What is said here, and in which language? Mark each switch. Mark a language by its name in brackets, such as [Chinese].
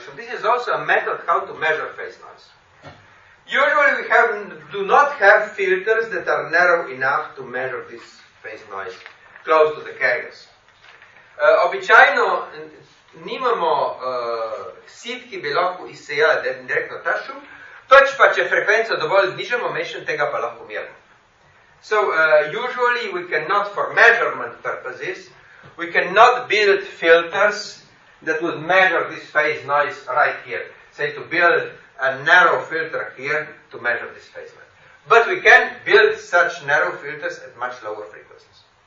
[English] So this is also a method how to measure phase noise. Usually we have, do not have filters that are narrow enough to measure this phase noise close to the carriers. [Slovenian] Običajno nimamo sit, ki bi lahko izsejala direktno ta šum, pač pa če frekvenco dovolj dižemo, mešen tega pa lahko merimo. [English] So usually we cannot, for measurement purposes, we cannot build filters that would measure this phase noise right here. Say to build a narrow filter here to measure this phase noise. But we can build such narrow filters at much lower frequencies.